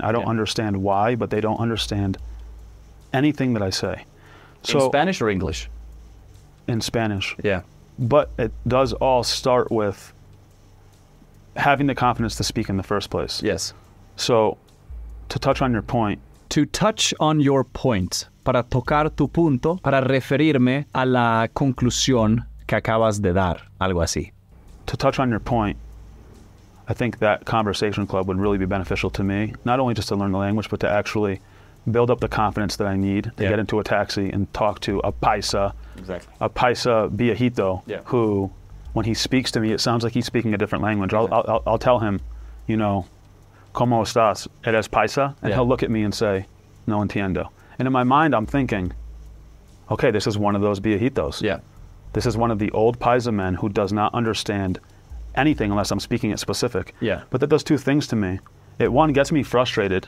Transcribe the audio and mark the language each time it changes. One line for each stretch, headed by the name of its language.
English: I don't understand why, but they don't understand anything that I say. So, in Spanish or English? In Spanish. Yeah. But it does all start with having the confidence to speak in the first place. Yes. So, to touch on your point. To touch on your point,
Spanish: para tocar tu punto, para referirme a la conclusión que acabas de dar, algo así.
English: To touch on your point, I think that conversation club would really be beneficial to me, not only just to learn the language, but to actually build up the confidence that I need to get into a taxi and talk to a paisa, exactly, a paisa viejito, who, when he speaks to me, it sounds like he's speaking a different language. Exactly. I'll tell him, you know,
Spanish: ¿cómo estás? ¿Eres paisa?
English: And he'll look at me and say,
Spanish: no entiendo.
English: And in my mind, I'm thinking, okay, this is one of those viejitos. Yeah. This is one of the old paisa men who does not understand anything unless I'm speaking it specific. Yeah. But that does two things to me. It, one, gets me frustrated.